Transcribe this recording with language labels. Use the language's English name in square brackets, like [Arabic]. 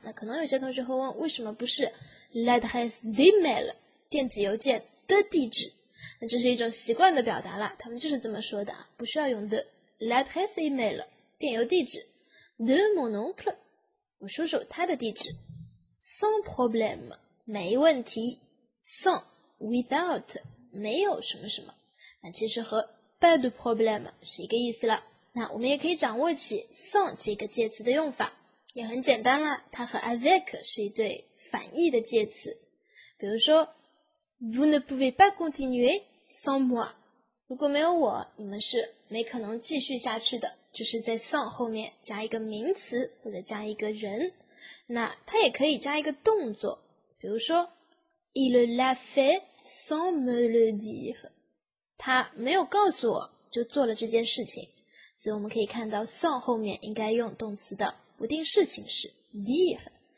[Chinese] 那可能有些同学会问，为什么不是 l'adresse d'email 电子邮件的地址？那这是一种习惯的表达啦，他们就是这么说的啊，不需要用的 l'adresse email 电邮地址。 [French] De mon oncle, [Chinese] 我叔叔他的地址。 [French] Sans problème, [Chinese] 没问题。 Sans, without, 没有什么什么。那其实和 pas de problème 是一个意思了。那我们也可以掌握起 sans 这个介词的用法。也很简单啦，它和 avec 是一对反义的介词。 [French] 比如说 Vous ne pouvez pas continuer sans moi. [Chinese] 如果没有我，你们是没可能继续下去的。就是在 sans 后面加一个名词或者加一个人，那它也可以加一个动作，比如说 [French] Il l'a fait sans me le dire， [Chinese] 他没有告诉我就做了这件事情，所以我们可以看到 sans 后面应该用动词的不定式形式 dire。